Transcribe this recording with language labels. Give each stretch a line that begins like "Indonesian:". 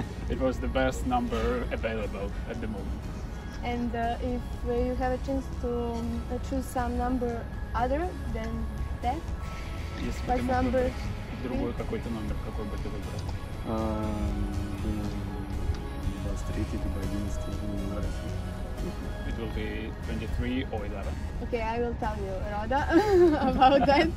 English: It was the best number available at the moment. And if you have a chance to choose some number other than that, yes, what number?
Russian: Другой какой-то номер, какой бы ты выбрал? Либо с третьей, либо одиннадцатой, мне нравится.
English: It will be 23 or 11. Okay, I will tell you, Рода, about that.